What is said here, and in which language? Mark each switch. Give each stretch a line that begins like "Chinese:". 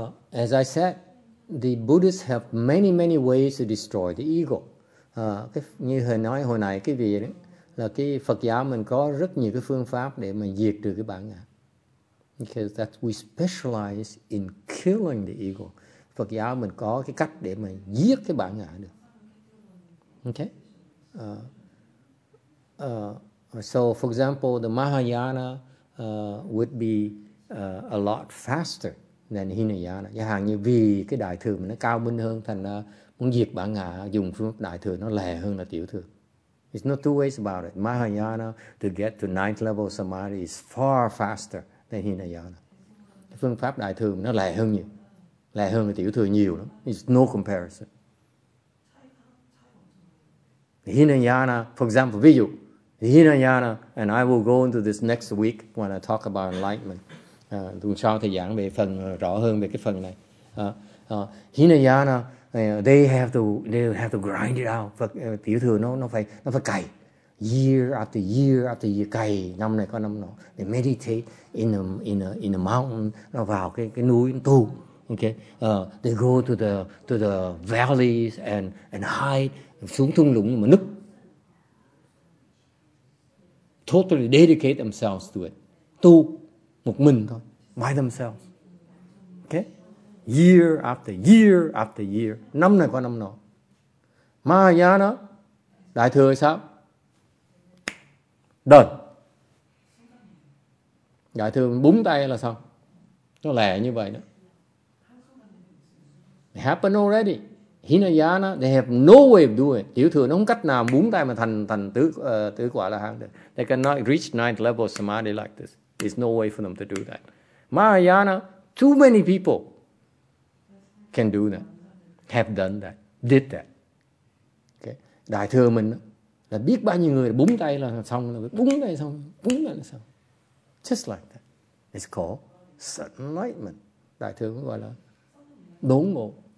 English: As I said, the Buddhists have many, many ways to destroy the ego.
Vietnamese: Như hồi nói hồi nãy, cái vị đó, là cái Phật giáo mình có rất nhiều cái phương pháp để mà diệt trừ cái bản ngã.
English: Because that we specialize in killing the ego.
Vietnamese: Phật giáo mình có cái cách để mà giết cái bản ngã được.
English: Okay. So for example, the Mahayana would be a lot faster than Hinayana.
Vietnamese: Giả hạn như vì cái đại thừa mình nó cao minh hơn, thành ra muốn diệt bản ngã dùng phương pháp đại thừa nó lè hơn là tiểu thừa.
English: It's not two ways about it. Mahayana to get to ninth level samadhi is far faster than Hinayana.
Vietnamese: Phương pháp đại thừa nó lè hơn nhiều, lè hơn là tiểu thừa nhiều lắm.
English: It's no comparison. Hinayana, for example,
Vietnamese: ví dụ,
English: Hinayana, and I will go into this next week when I talk about enlightenment.
Vietnamese: Tụng sau thì giảng về phần rõ hơn về cái phần này.
English: Hinayana, they have to grind it out.
Vietnamese: Phật, tiểu thừa nó phải cày
English: year after year after year,
Vietnamese: cày năm này có năm nọ.
English: They meditate in a mountain,
Vietnamese: nó vào cái núi tu.
English: Okay, they go to the valleys and hide.
Vietnamese: Xuống thung lũng mà núp.
English: Totally dedicate themselves to it.
Vietnamese: Tu một mình thôi.
English: By themselves. Okay? Year after year after year.
Vietnamese: Năm này qua năm nọ.
English: Mahayana.
Vietnamese: Đại thừa sao?
English: Done.
Vietnamese: Đại thừa búng tay là sao? Nó lẻ như vậy đó.
English: It happened already. Hinayana, they have no way of doing it.
Vietnamese: Tiểu thừa nó không cách nào búng tay mà thành tứ quả là hạng được.
English: They cannot reach ninth level samadhi like this. There's no way for them to do that. Mahayana, too many people can do that, have done that, did that. Okay.
Vietnamese: Đại thừa mình là biết bao nhiêu người búng tay là xong, búng tay là xong.
English: Just like that. It's called sudden enlightenment.
Vietnamese: Đại thừa cũng gọi là đốn ngộ.